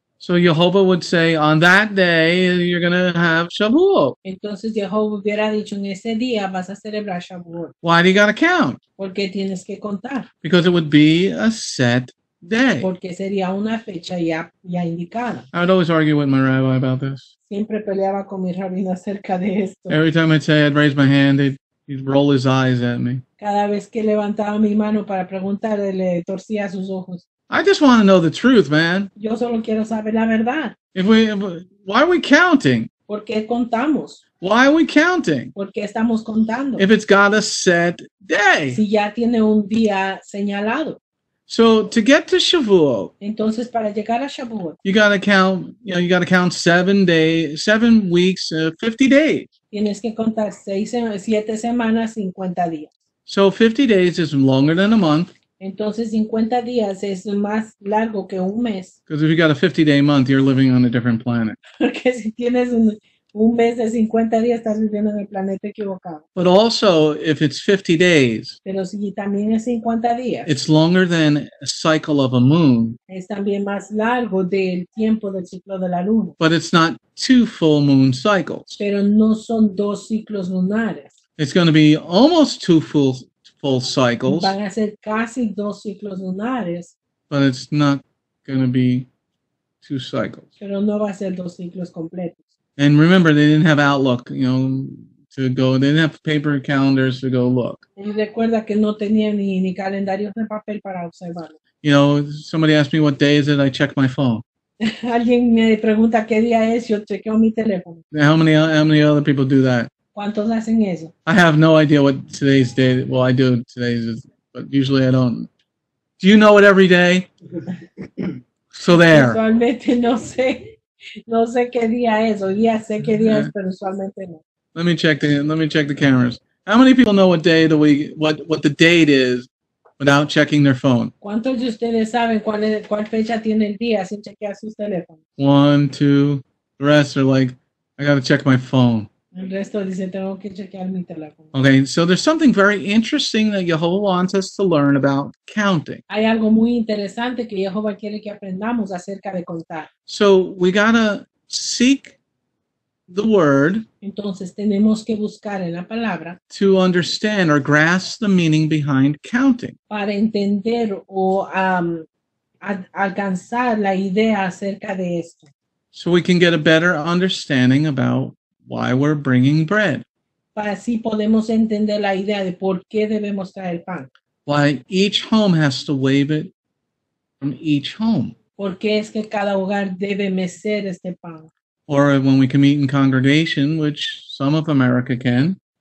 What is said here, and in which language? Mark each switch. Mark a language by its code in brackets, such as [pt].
[en] So Jehovah would say, on that day, you're going to have Shavuot. [es] Entonces Jehovah hubiera dicho, en ese día vas a celebrar Shavuot. [en] Why do you got to count? [es] Porque tienes que contar. [en] Because it would be a set day. [es] Porque sería una fecha ya indicada. [en] I would always argue with my rabbi about this. [es] Siempre peleaba con mi rabino acerca de esto. [en] Every time I'd say, I'd raise my hand, he'd roll his eyes at me. [es] Cada vez que levantaba mi mano para preguntar, le torcía sus ojos. [en] I just want to know the truth, man. [es] Yo solo quiero saber la verdad. [en] Why are we counting? [es] ¿Por qué contamos? [en] Why are we counting? [es] ¿Por qué estamos contando? [en] If it's got a set day. [es] Si ya tiene un día señalado. [en] So to get to Shavuot. [es] Entonces para llegar a Shavuot. [en] You got to count. You know, you got to count 7 days, 7 weeks, 50 days. [es] Tienes que contar 7 semanas, 50 días. [en] So 50 days is longer than a month. [es] Entonces 50 días es más largo que un mes. [en] Because if you got a 50-day month, you're living on a different planet. [es] Porque si tienes un mes de 50 días, estás viviendo en el planeta equivocado. [en] But also, if it's 50 days, [es] pero si también es 50 días, [en] it's longer than a cycle of a moon. [es] Es también más largo del tiempo del ciclo de la luna. [en] But it's not 2 full moon cycles. [es] Pero no son 2 ciclos lunares. [en] It's going to be almost 2 full cycles. [es] Van a ser casi 2 ciclos lunares. [en] But it's not going to be two cycles. [es] Pero no va a ser dos ciclos completos. [en] And remember, they didn't have Outlook, you know, to go. They didn't have paper calendars to go look. [es] Y recuerda que no tenía ni calendarios de papel para observarlo. [en] You know, somebody asked me what day is it. I check my phone. [es] Alguien me pregunta qué día es. Yo chequeo mi teléfono. [en] How many other people do that? [es] ¿Cuántos hacen eso? [en] I have no idea what today's day. Well, I do today's, but usually I don't. Do you know it every day? So there. [es] Usualmente no sé qué día es. Hoy día sé qué día es, pero usualmente no. [en] Let me check the cameras. How many people know what day of the week, what the date is, without checking their phone? [es] ¿Cuántos de ustedes saben cuál fecha tiene el día sin chequear sus teléfonos? [en] One, two. The rest are like, I gotta check my phone. [es] El resto dice, tengo que chequear mi teléfono. [en] Okay, so there's something very interesting that Yehovah wants us to learn about counting. [es] Hay algo muy interesante que Yehovah quiere que aprendamos acerca de contar. [en] So we gotta seek the word. [es] Entonces tenemos que buscar en la palabra [en] to understand or grasp the meaning behind counting. [es] Para entender o alcanzar la idea acerca de esto. [en] So we can get a better understanding about why we're bringing bread. [es] Para así podemos entender la idea de por qué debemos traer el pan. [en] Why each home has to wave it from each home. [es] ¿Por qué es que cada hogar debe mecer este pan? [en] Or when we can meet in congregation, which some of America can.